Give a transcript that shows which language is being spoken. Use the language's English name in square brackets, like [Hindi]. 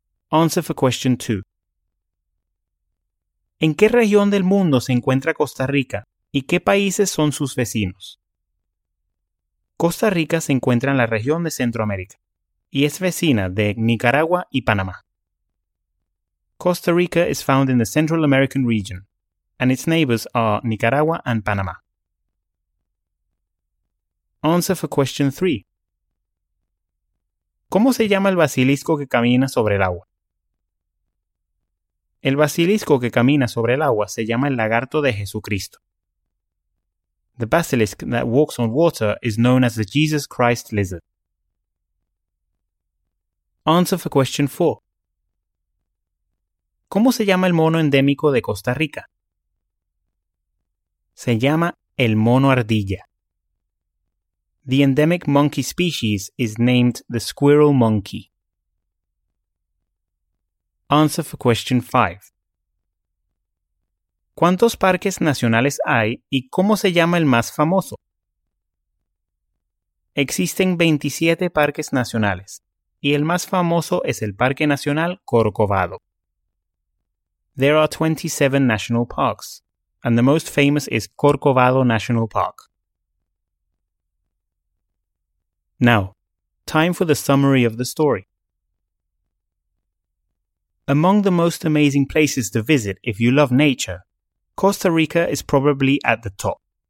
[English] Answer for question 2. [Spanish] ¿En qué región del mundo se encuentra Costa Rica y qué países son sus vecinos? Costa Rica se encuentra en la región de Centroamérica y es vecina de Nicaragua y Panamá. [English] Costa Rica is found in the Central American region, and its neighbors are Nicaragua and Panama. Answer for question 3. [Spanish] ¿Cómo se llama el basilisco que camina sobre el agua? El basilisco que camina sobre el agua se llama el lagarto de Jesucristo. [English] The basilisk that walks on water is known as the Jesus Christ lizard. Answer for question 4. [Spanish] ¿Cómo se llama el mono endémico de Costa Rica? Se llama el mono ardilla. [English] The endemic monkey species is named the squirrel monkey. Answer for question 5. [Spanish] ¿Cuántos parques nacionales hay y cómo se llama el más famoso? Existen 27 parques nacionales y el más famoso es el Parque Nacional Corcovado. [English] There are 27 national parks and the most famous is Corcovado National Park. Now, time for the summary of the story. Among the most amazing places to visit if you love nature, Costa Rica is probably at the top.